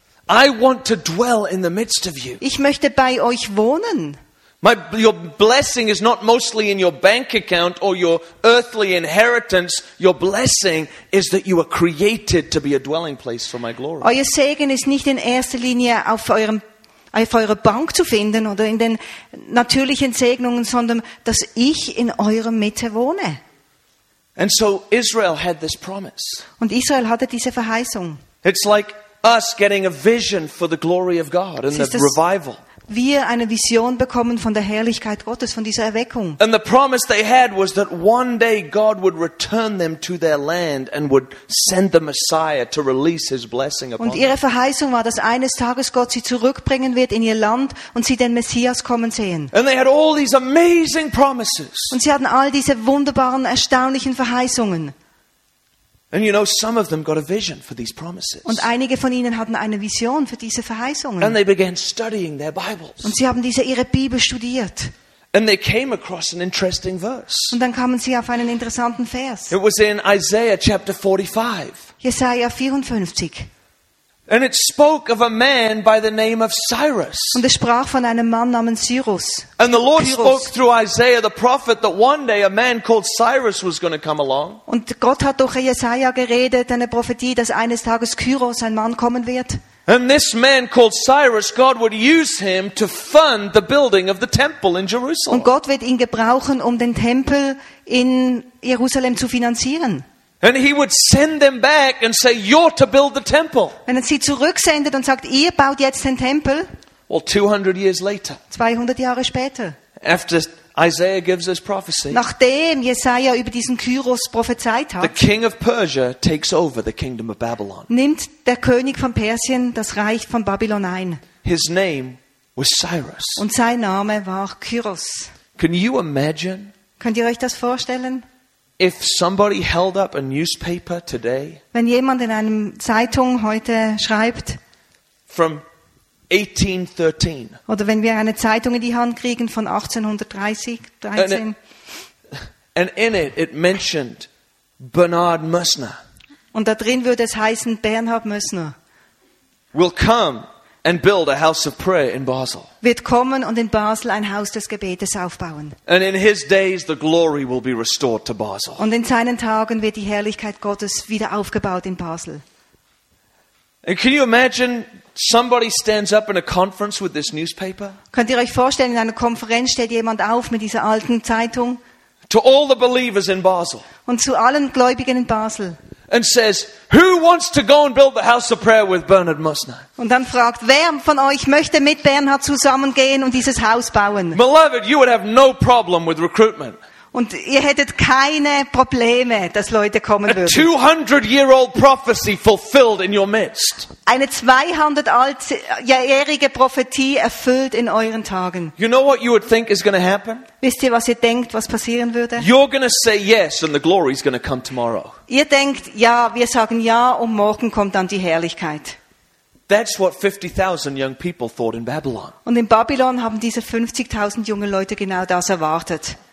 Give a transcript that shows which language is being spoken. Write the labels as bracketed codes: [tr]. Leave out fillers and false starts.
[en] I want to dwell in the midst of you. [de] Ich möchte bei euch wohnen. [en] Your blessing is not mostly in your bank account or your earthly inheritance. Your blessing is that you were created to be a dwelling place for my glory. [de] Euer Segen ist nicht in erster Linie auf eurer Bank zu finden oder in den natürlichen Segnungen, sondern dass ich in eurer Mitte wohne. [en] And so Israel had this promise. [de] Und Israel hatte diese Verheißung. [en] It's like us getting a vision for the glory of God and the revival. [de] Wir eine Vision bekommen von der Herrlichkeit Gottes, von dieser Erweckung. [en] And the promise they had was that one day God would return them to their land and would send the Messiah to release his blessing upon them. [de] Und ihre Verheißung war, dass eines Tages Gott sie zurückbringen wird in ihr Land und sie den Messias kommen sehen. [en] And they had all these amazing promises. [de] Und sie hatten all diese wunderbaren, erstaunlichen Verheißungen. [en] And you know, some of them got a vision for these promises. [de] Und einige von ihnen hatten eine Vision für diese Verheißungen. [en] And they began studying their Bibles. [de] Und sie haben diese ihre Bibel studiert. [en] And they came across an interesting verse. [de] Und dann kamen sie auf einen interessanten Vers. [en] It was in Isaiah chapter 45. [de] Jesaja 54. [en] And it spoke of a man by the name of Cyrus. [de] Und es sprach von einem Mann namens Cyrus. [en] And the Lord spoke through Isaiah the prophet that one day a man called Cyrus was going to come along. [de] Und Gott hat durch Jesaja geredet, eine Prophetie, dass eines Tages Kyros, ein Mann, kommen wird. [en] And this man called Cyrus, God would use him to fund the building of the temple in Jerusalem. [de] Und Gott wird ihn gebrauchen, um den Tempel in Jerusalem zu finanzieren. [en] And he would send them back and say, "You're to build the temple." [de] Wenn er sie zurücksendet und sagt, ihr baut jetzt den Tempel. [en] Well, 200 years later. [de] 200 Jahre später. [en] After Isaiah gives his prophecy. [de] Nachdem Jesaja über diesen Kyros prophezeit hat. [en] The king of Persia takes over the kingdom of Babylon. [de] Nimmt der König von Persien das Reich von Babylon ein. [en] His name was Cyrus. [de] Und sein Name war Kyros. [en] Can you imagine? [de] Könnt ihr euch das vorstellen? [en] If somebody held up a newspaper today, [de] wenn jemand in einem Zeitung heute schreibt, [en] from 1813, [de] oder wenn wir eine Zeitung in die Hand kriegen von 1813, [en] and in it it mentioned Bernard Mössner, [de] und da drin würde es heißen Bernhard Mössner, [en] will come and build a house of prayer in Basel. [de] Wird kommen und in Basel ein Haus des Gebetes aufbauen. [en] And in his days the glory will be restored to Basel. [de] Und in seinen Tagen wird die Herrlichkeit Gottes wieder aufgebaut in Basel. [en] And can you imagine somebody stands up in a conference with this newspaper? [de] Könnt ihr euch vorstellen, in einer Konferenz steht jemand auf mit dieser alten Zeitung? [en] To all the believers in Basel. [de] Und zu allen Gläubigen in Basel. [en] And says, who wants to go and build the house of prayer with Bernard Mössner? [de] Und dann fragt, wer von euch möchte mit Bernhard zusammengehen und dieses Haus bauen? [en] Beloved, you would have no problem with recruitment. [de] Und ihr hättet keine Probleme, dass Leute kommen würden. [en] A 200-year-old prophecy fulfilled in your midst. [de] Eine 200-jährige Prophetie erfüllt in euren Tagen. [en] You know what you would think is going to happen? [de] Wisst ihr, was ihr denkt, was passieren würde? [en] You're going to say yes, and the glory is going to come tomorrow. [de] Ihr denkt, ja, wir sagen ja, und morgen kommt dann die Herrlichkeit. [en] That's what 50,000 young people thought in Babylon. [de] Und in Babylon haben diese 50,000 junge Leute genau das erwartet.